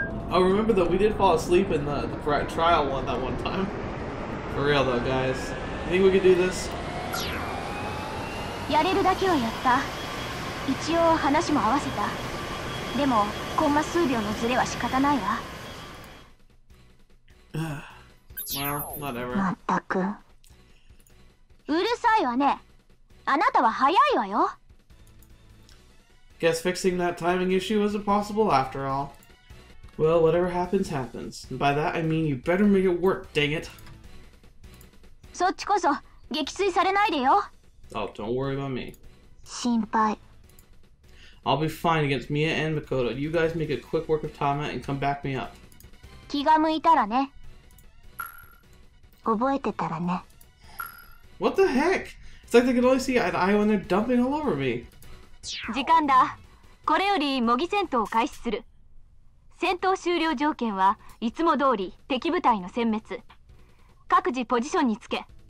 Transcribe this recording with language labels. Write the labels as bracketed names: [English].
[English] Oh, remember though, we did fall asleep in the trial one that one time. For real though, guys. You think we could do this? [Japanese] やれるだけはやった。一応話も合わせた。でも、コンマ数秒のズレは仕方ないわ。まあ、whatever。まったく。うるさいわね。あなたは早いわよ。 [English] Guess fixing that timing issue was impossible after all. Well, whatever happens, happens. And by that, I mean you better make it work, dang it. [Japanese] そっちこそ撃墜されないでよ。 [English] Oh, don't worry about me. [Japanese] 心配。 [English] I'll be fine against Meiya and Makoto. You guys make a quick work of Tama and come back me up. [Japanese] 気が向いたらね。覚えてたらね。 [English] What the heck? It's like they can only see an eye when they're dumping all over me. [Japanese] 時間だ。これより模擬戦闘を開始する。戦闘終了条件はいつも通り敵部隊の殲滅。各自ポジションにつけ。